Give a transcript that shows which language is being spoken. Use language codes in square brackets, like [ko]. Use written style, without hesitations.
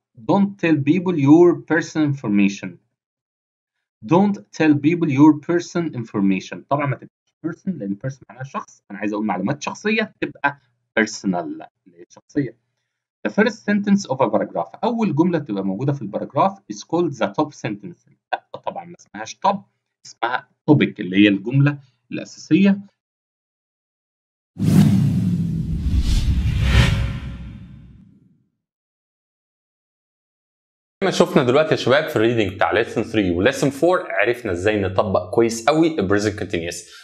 [en] Don't tell people your personal information. Don't tell people your personal information. [ar] طبعا ما تبقاش person لان person معناها شخص، انا عايز اقول معلومات شخصيه تبقى personal اللي هي شخصيه. [en] The first sentence of a paragraph، [ar] اول جمله تبقى موجوده في الباراجراف [en] is called the top sentence. [ar] لا طبعا ما اسمهاش top، اسمها topic اللي هي الجمله الاساسيه. ما شفنا دلوقتي يا شباب في الريدنج بتاع ليسن 3 وليسن 4 عرفنا ازاي نطبق كويس قوي البريزنت كونتينيوس.